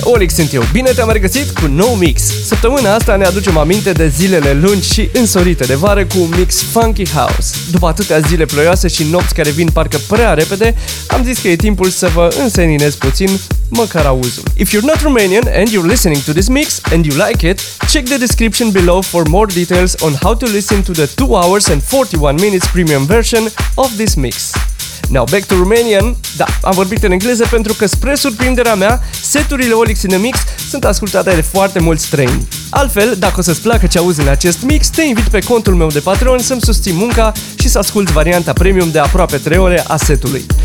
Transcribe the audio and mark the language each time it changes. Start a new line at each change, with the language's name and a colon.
Romanian: OLiX sunt eu, bine te-am regăsit cu nou mix! Săptămâna asta ne aducem aminte de zilele lungi și însorite de vară cu un mix Funky House. După atâtea zile ploioase și nopți care vin parcă prea repede, am zis că e timpul să vă înseninez puțin, măcar auzul.
English: If you're not Romanian and you're listening to this mix and you like it, check the description below for more details on how to listen to the 2 hours and 41 minutes premium version of this mix. Now back to Romanian.
Romanian: Da, am vorbit în engleză pentru că, spre surprinderea mea, seturile OLiX in the Mix sunt ascultate de foarte mulți străini. Altfel, dacă o să-ți placă ce auzi în acest mix, te invit pe contul meu de Patreon să-mi susții munca și să asculti varianta premium de aproape 3 ore a setului.